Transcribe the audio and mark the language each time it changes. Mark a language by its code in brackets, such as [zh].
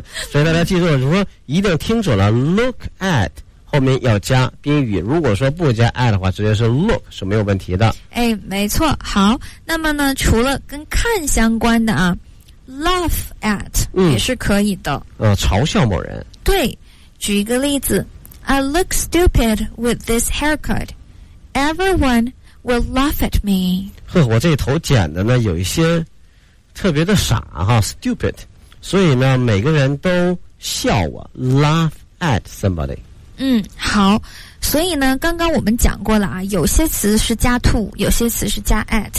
[zh] 所以大家记住了如果一定听准了 [en] look at [zh] 后面要加宾语如果说不加 at 的话直接是 look 是没有问题的哎，没错好那么呢除了跟看相关的啊 [en] laugh at [zh] 也是可以的、嗯、嘲笑某人对举一个例子 [en] I look stupid with this haircut everyone will laugh at me [zh] 呵我这头剪的呢有一些特别的傻哈 stupid 所以呢每个人都笑我 [en] laugh at somebody [zh] 嗯好所以呢刚刚我们讲过了啊有些词是加 to 有些词是加 at